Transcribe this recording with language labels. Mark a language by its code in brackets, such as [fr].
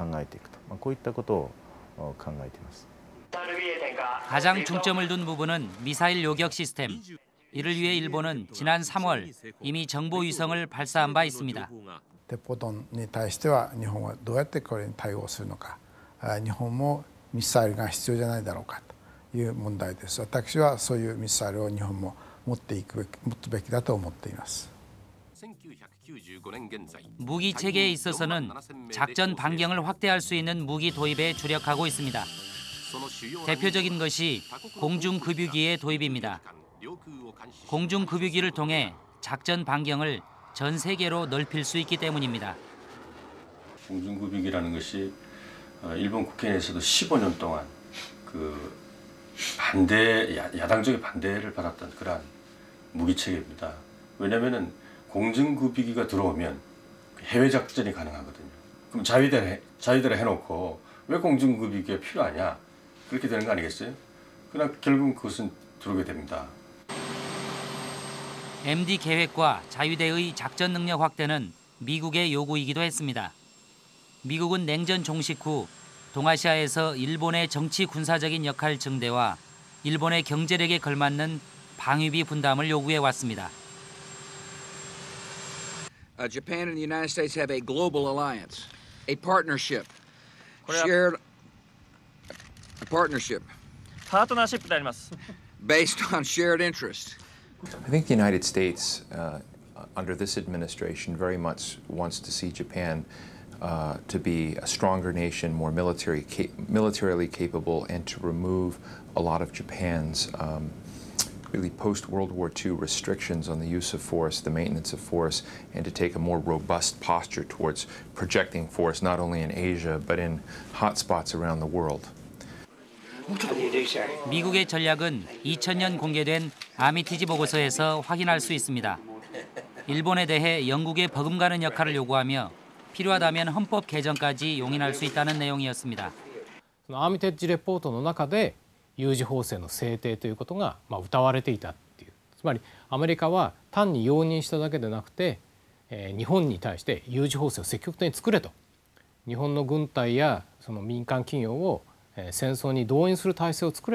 [ja] ハイテクの兵器をどんどん更新して新しく導入していく。そして外国から船が入ってきた時に海でそれを防ぐために海上自衛隊の能力も十分なものをつける。それから弾道ミサイル防衛に対して研究開発だけではなくて導入も考えていくと、こういったことを考えています。 [ko] 가장 중점을 둔 부분은 미사일 요격 시스템. 이를 위해 일본은 지난 3월 이미 정보 위성을 발사한 바 있습니다. [ja] 대포돈に対しては日本はどうやってこれに対応するのか。日本もミサイルが必要じゃないだろうかという問題です。私はそういうミサイルを日本も持っていくべきだと思っています。 [ko] 무기 체계에 있어서는 작전 반경을 확대할 수 있는 무기 도입에 주력하고 있습니다. 대표적인 것이 공중급유기의 도입입니다. 공중급유기를 통해 작전 반경을 전 세계로 넓힐 수 있기 때문입니다. 공중급유기라는 것이 일본 국회 내에서도 15년 동안 그 반대, 야당적의 반대를 받았던 그러한 무기체계입니다. 왜냐하면 공중급유기가 들어오면 해외작전이 가능하거든요. 그럼 자위대를 해놓고 왜 공중급유기가 필요하냐? 그렇게 되는 거 아니겠어요? 그러나 결국은 그것은 들어오게 됩니다. MD 계획과 자위대의 작전 능력 확대는 미국의 요구이기도 했습니다. 미국은 냉전 종식 후 동아시아에서 일본의 정치 군사적인 역할 증대와 일본의 경제력에 걸맞는 방위비 분담을 요구해 왔습니다. [en] Japan and the United States have a global alliance, a partnership, shared. Partnership. Partnership. Based on shared interest. I think the United States, under this administration, very much wants to see Japan to be a stronger nation, more militarily capable, and to remove a lot of Japan's really post-World War II restrictions on the use of force, the maintenance of force, and to take a more robust posture towards projecting force, not only in Asia, but in hot spots around the world. [ko] 미국의 전략은 2000년 공개된 아미티지 보고서에서 확인할 수 있습니다. 일본에 대해 영국에 버금가는 역할을 요구하며 필요하다면 헌법 개정까지 용인할 수 있다는 내용이었습니다. [ja] 아미티지 レポートの中で有事法制の制定ということが謳われていたっていう。つまりアメリカは単に容認しただけでなくて、日本に対して有事法制を積極的に作れと。日本の軍隊やその民間企業を 戦争に [ko] 동원 [ja] する 体制を